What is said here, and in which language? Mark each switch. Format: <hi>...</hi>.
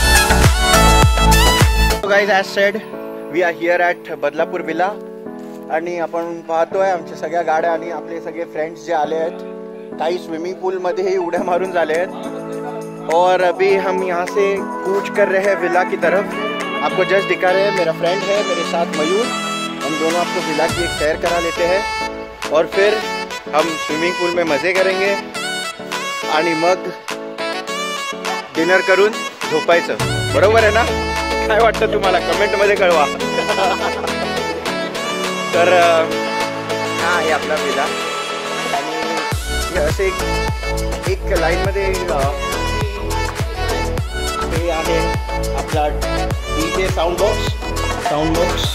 <en>guys as said we are here at Badlapur villa</en> <mr>आणि आपण पाहतोय आमच्या सगळ्या गाड्या आणि आपले सगळे फ्रेंड्स जे आले आहेत काही स्विमिंग पूल मध्ये ही उड्या मारून झाले आहेत</mr> <hi>और अभी हम यहाँ से कूच कर रहे हैं विला की तरफ। आपको जस्ट दिखा रहे हैं मेरा फ्रेंड है मेरे साथ मयूर, हम दोनों आपको विला की एक सैर करा लेते हैं और फिर हम स्विमिंग पूल में मजे करेंगे</hi> <mr>आणि मग डिनर करून झोपायचं, बरोबर आहे ना? काय वाटतं तुम्हाला कमेंट मध्ये कळवा। तर हा आहे आपला विला आणि असे एक लाईन मध्ये आहे आपला डीजे साऊंड बॉक्स</mr>